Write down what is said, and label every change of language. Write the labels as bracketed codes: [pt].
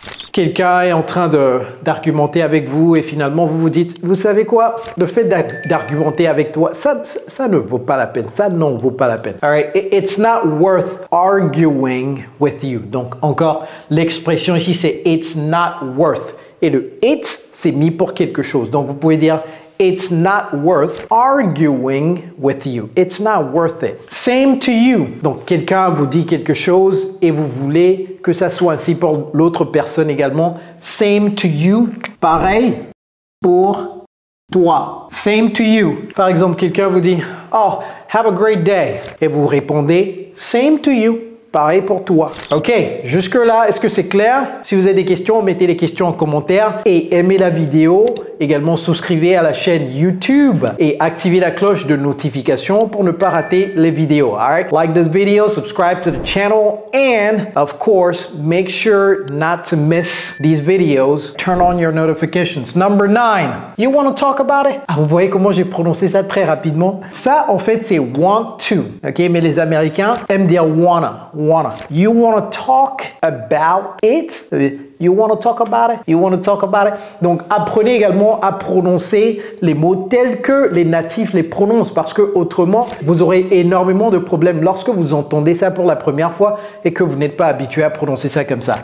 [fr] Quelqu'un est en train d'argumenter avec vous et finalement, vous vous dites, vous savez quoi? Le fait d'argumenter avec toi, ça ne vaut pas la peine. Ça n'en vaut pas la peine. [en] All right. It's not worth arguing with you. [fr] Donc, encore, l'expression ici, c'est it's not worth. Et le it, c'est mis pour quelque chose. Donc, vous pouvez dire, [en] it's not worth arguing with you. It's not worth it. Same to you. [fr] Donc, quelqu'un vous dit quelque chose et vous voulez que ça soit ainsi pour l'autre personne également. [en] Same to you. [fr] Pareil pour toi. [en] Same to you. [fr] Par exemple, quelqu'un vous dit, [en] oh, have a great day. [fr] Et vous répondez, [en] same to you. [fr] Pareil pour toi. OK, jusque-là, est-ce que c'est clair? Si vous avez des questions, mettez les questions en commentaire et aimez la vidéo. Également, souscrivez à la chaîne YouTube et activez la cloche de notification pour ne pas rater les vidéos. [en] Alright? Like this video, subscribe to the channel, and of course, make sure not to miss these videos. Turn on your notifications. Number 9. You want to talk about it? [fr] Ah, vous voyez comment j'ai prononcé ça très rapidement? Ça, en fait, c'est want to. Ok? Mais les Américains aiment dire wanna. Wanna. [en] You want to talk about it? You want to talk about it? You want to talk about it? [fr] Donc, apprenez également à prononcer les mots tels que les natifs les prononcent parce que autrement, vous aurez énormément de problèmes lorsque vous entendez ça pour la première fois et que vous n'êtes pas habitué à prononcer ça comme ça.